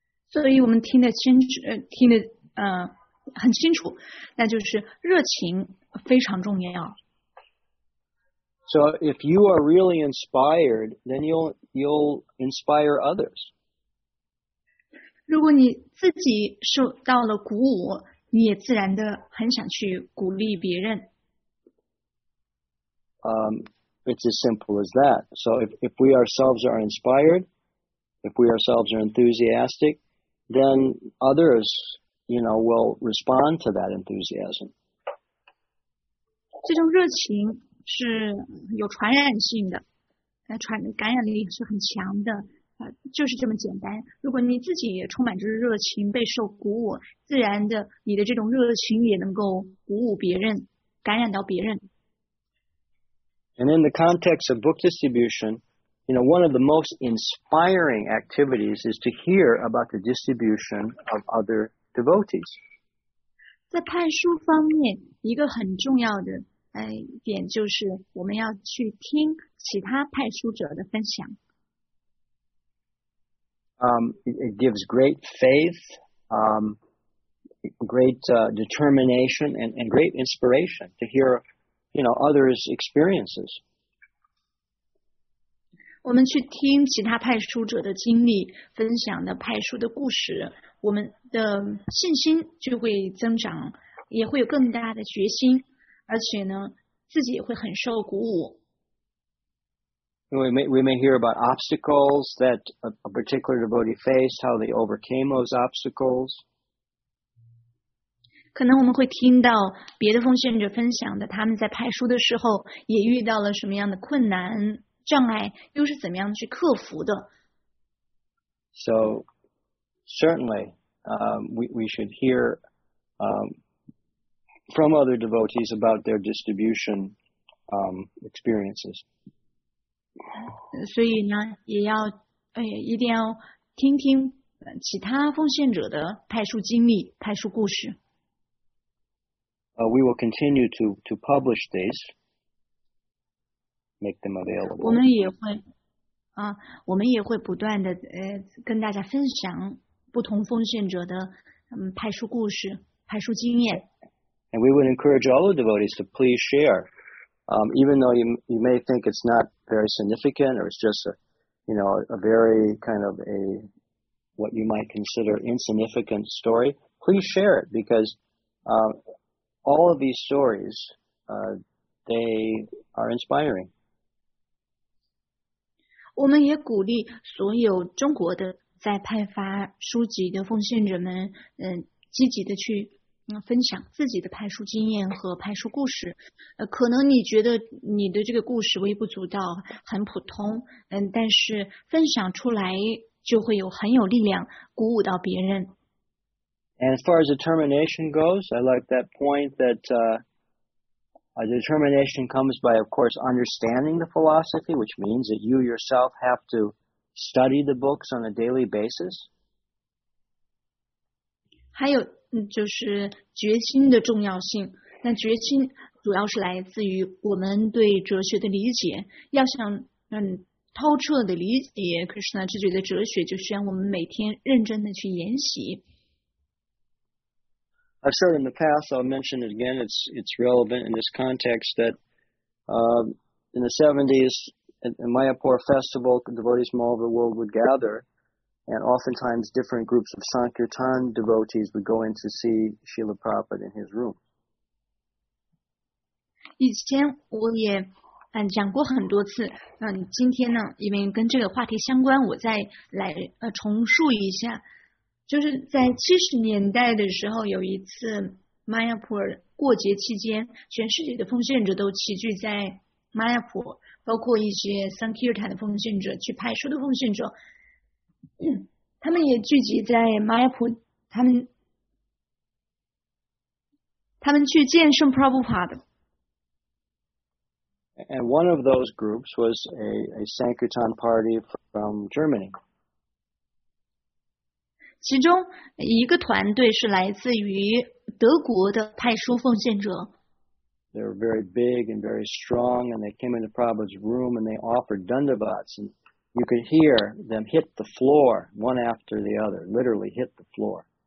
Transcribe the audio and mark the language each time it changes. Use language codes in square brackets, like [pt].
[zh] 所以我们听得清楚，听得很清楚，那就是热情非常重要。 [en] So if you are really inspired, then you'll inspire others. [zh] 如果你自己受到了鼓舞，你也自然的很想去鼓励别人。 [en] It's as simple as that. So if we ourselves are inspired, if we ourselves are enthusiastic, then others, you know, will respond to that enthusiasm. [zh] 这种热情是有传染性的，感染力是很强的，就是这么简单。如果你自己也充满着热情，备受鼓舞，自然的，你的这种热情也能够鼓舞别人，感染到别人。 [en] And in the context of book distribution, You know, one of the most inspiring activities is to hear about the distribution of other devotees. [zh] 在派书方面，一个很重要的点就是我们要去听其他派书者的分享。 [en] It gives great faith, great determination, and great inspiration to hear, you know, others' experiences. [zh] 我们去听其他派书者的经历，分享的派书的故事，我们的信心就会增长，也会有更大的决心，而且呢，自己也会很受鼓舞。 [en] We may hear about obstacles that a particular devotee faced, how they overcame those obstacles. [zh] 可能我们会听到别的奉献者分享的，他们在派书的时候也遇到了什么样的困难、障碍，又是怎么样去克服的。 [en] So, certainly, we should hear from other devotees about their distribution experiences. [zh] 所以呢，也要一定要听听其他奉献者的派书经历、派书故事。 [en] We will continue to publish these, make them available. [zh] 我们也会我们也会不断的跟大家分享不同奉献者的派书故事、派书经验。 [en] And we would encourage all the devotees to please share. Even though you may think it's not very significant or it's just a very kind of a what you might consider insignificant story, please share it because all of these stories, they are inspiring. [zh] 我们也鼓励所有中国的在派发书籍的奉献者们积极的去分享自己的派书经验和派书故事，可能你觉得你的这个故事微不足道，很普通，但是分享出来就会有很有力量，鼓舞到别人。 [en] And as far as determination goes, I like that point that determination comes by, of course, understanding the philosophy, which means that you yourself have to study the books on a daily basis. [zh] 还有就是决心的重要性，那决心主要是来自于我们对哲学的理解，要想透彻的理解 Krishna 智觉的哲学，就需要我们每天认真的去研习。 [en] I've said in the past, I'll mention it again, it's relevant in this context that in the 70s at Mayapur festival, devotees from all over the world would gatherAnd oftentimes, different groups of Sankirtan devotees would go in to see Srila Prabhupada in his room. [zh] 以前我也讲过很多次，今天呢，因为跟这个话题相关，我再来重述一下。就是在70年代的时候，有一次 Mayapur 过节期间，全世界的奉献者都齐聚在 Mayapur， 包括一些 Sankirtan 的奉献者，去派书的奉献者。他们也聚集在 Mayapur， 他们去见圣 Prabhupada。 [en] And one of those groups was a Sankirtan party from Germany. [zh] 其中一个团队是来自于德国的派书奉献者。 [en] They were very big and very strong, and they came into Prabhupada's room and they offered dandavats and. You could hear them hit the floor one after the other, literally hit the floor.